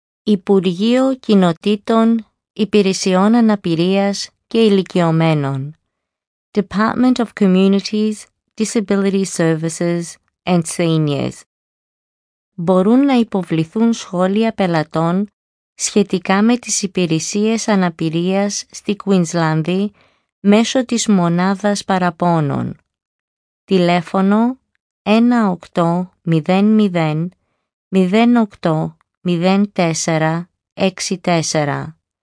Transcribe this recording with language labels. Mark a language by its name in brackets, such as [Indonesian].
[Greek] Υπουργείο Κοινοτήτων, Υπηρεσιών Αναπηρίας και Ηλικιωμένων. [English] Department of Communities, Disability Services and Seniors. [Greek] Μπορούν να υποβληθούν σχόλια πελατών σχετικά με τις υπηρεσίες αναπηρίας στη Queensland μέσω της μονάδας παραπώνων. Τηλέφωνο 1800 08 04 64.